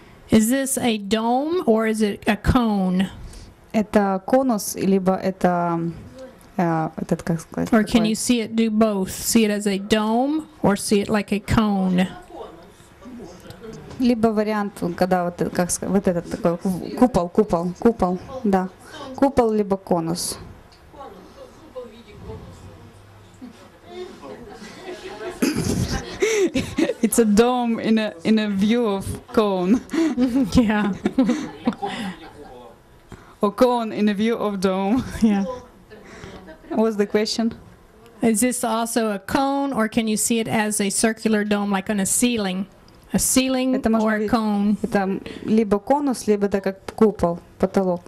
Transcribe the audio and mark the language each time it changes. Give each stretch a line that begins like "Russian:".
English: Is this a dome or is it a cone?
Russian: Это конус, либо это, этот, как сказать?
English: Or can you see it do both? See it as a dome or see it like a cone?
Russian: Либо вариант, когда вот, как сказать, вот этот такой, купол, да. Купол, либо конус.
English: It's a dome in a view of cone. Yeah. Or cone in a view of dome. Yeah. What's the question? Is this also a cone, or can you see it as a circular dome, like on a ceiling? A ceiling or a cone?
Russian: Это либо конус, либо это как купол, потолок.